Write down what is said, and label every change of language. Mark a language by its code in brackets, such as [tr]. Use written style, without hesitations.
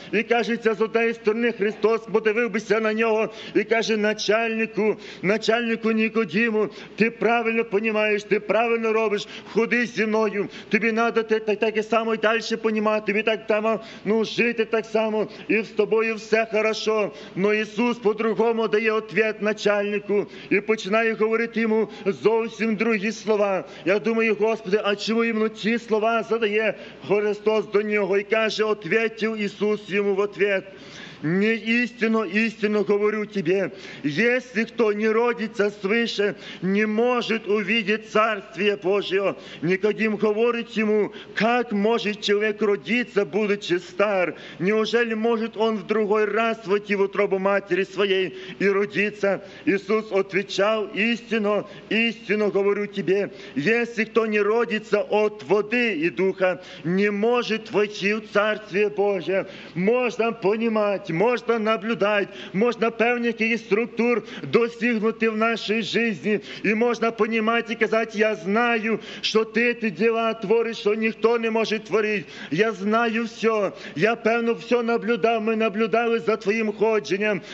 [uk] І каже, це з однієї сторони Христос подивився на нього і каже, начальнику, начальнику Никодиму, ти правильно понімаєш, ти правильно робиш, ходи зі мною, тобі треба так і само і далі понімати, тобі так само, ну, жити так само, і з тобою все хорошо. Но Ісус по-другому дає відповідь начальнику і починає говорити йому зовсім другі слова. Я думаю, Господи, а чому йому ці слова задає Христос до нього? І каже, ответив Ісус йому в ответ. [ru] Не истинно, истинно говорю тебе, если кто не родится свыше, не может увидеть Царствие Божие. Никодим говорит ему, как может человек родиться, будучи стар? Неужели может он в другой раз войти в утробу матери своей и родиться? Иисус отвечал, истинно, истинно говорю тебе, если кто не родится от воды и духа, не может войти в Царствие Божие. Можно понимать, [uk] можна наблюдати, можна певних якихось структур досягнути в нашій житті. І можна понімати і казати, я знаю, що ти діла твориш, що ніхто не може творити. Я знаю все. Я певно все наблюдав. Ми наблюдали за твоїм ходженням.